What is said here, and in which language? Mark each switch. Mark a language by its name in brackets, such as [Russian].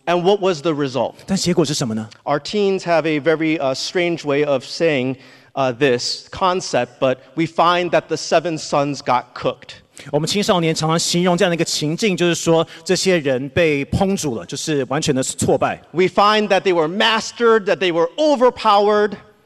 [English] And what was the result? [Chinese] 但结果是什么呢？ [English] Our teens have a very, strange way of saying,this concept, but we find that the seven sons got cooked. [Chinese] 我们青少年常常形容这样的一个情境，就是说这些人被烹煮了，就是完全的挫败。 [English] We find that they were mastered, that they were overpowered.